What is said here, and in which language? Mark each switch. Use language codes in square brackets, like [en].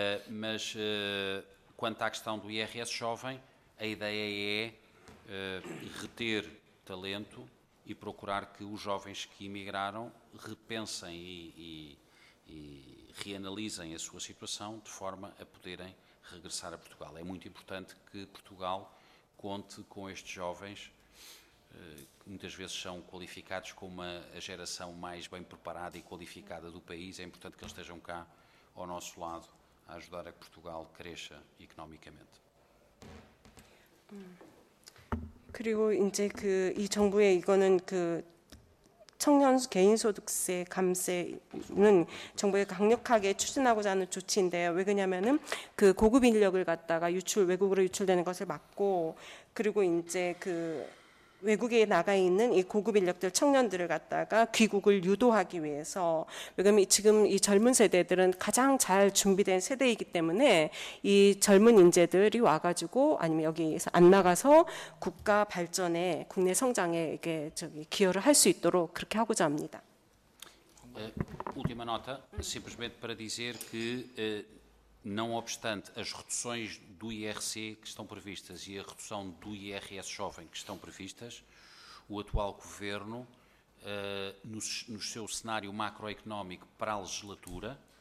[pt] Mas quanto à questão do IRS jovem, a ideia é reter talento e procurar que os jovens que emigraram repensem e reanalisem a sua situação de forma a poderem regressar a Portugal. É muito importante que Portugal conte com estes jovens, que muitas vezes são qualificados como a geração mais bem preparada e qualificada do país. É importante que eles estejam cá ao nosso lado a ajudar a que Portugal cresça economicamente. [ko] 그리고 이제 그 이 정부의 이거는 그 청년 개인소득세 감세는 정부에 강력하게 추진하고자 하는 조치인데요. 왜 그러냐면은 그 고급 인력을 갖다가 유출, 외국으로 유출되는 것을 막고, 그리고 이제 그 외국에 나가 있는 이 고급 인력들, 청년들을 갖다가 귀국을 유도하기 위해서, 왜냐면 지금 이 젊은 세대들은 가장 잘 준비된 세대이기 때문에 이 젊은 인재들이 와가지고 아니면 여기에서 안 나가서 국가 발전에, 국내 성장에 이게 저기 기여를 할 수 있도록 그렇게 하고자 합니다. [pt] Última nota, simplesmente para dizer que não obstante as reduções do IRC que estão previstas e a redução do IRS jovem que estão previstas, o atual governo, no seu cenário macroeconómico para a legislatura,